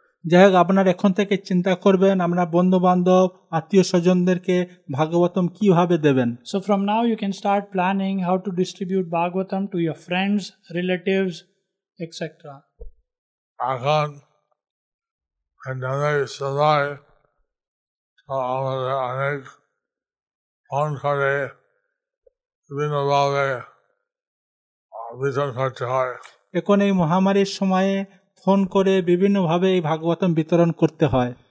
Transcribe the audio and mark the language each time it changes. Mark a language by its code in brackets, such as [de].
[bn] যাই হোক, আপনার এখন থেকে চিন্তা করবেন আমরা বন্ধু বান্ধব আত্মীয় স্বজনদেরকে ভাগবতম কিভাবে দেবেন. [en] So from now you can start planning how to distribute Bhagavatam to your friends, relatives, etc. [bn] এখন পান্ডামিক সময় আমাদের অনেক ফোন করে বিভিন্নভাবে আবেদন করতে হয়. এখন এই মহামারীর সময়ে ফোন করে বিভিন্নভাবে এই ভাগবতম বিতরণ করতে হয়.